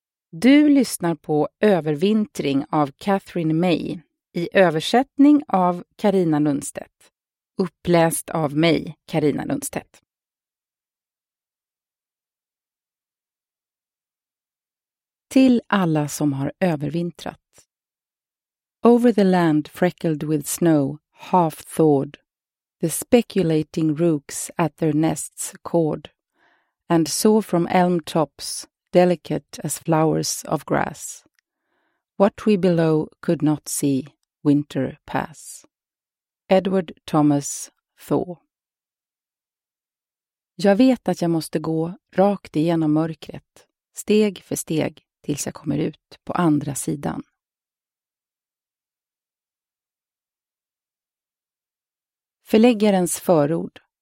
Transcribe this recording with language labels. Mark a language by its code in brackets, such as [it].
[sv] Du lyssnar på Övervintring av Catherine May i översättning av Carina Lundstedt. Uppläst av mig, Carina Lundstedt. Till alla som har övervintrat. [en] Over the land freckled with snow, half thawed, the speculating rooks at their nests cawed, and saw from elm tops, delicate as flowers of grass, what we below could not see winter pass. Edward Thomas Thaw. [sv] Jag vet att jag måste gå rakt igenom mörkret, steg för steg, tills jag kommer ut på andra sidan. Förläggarens förord.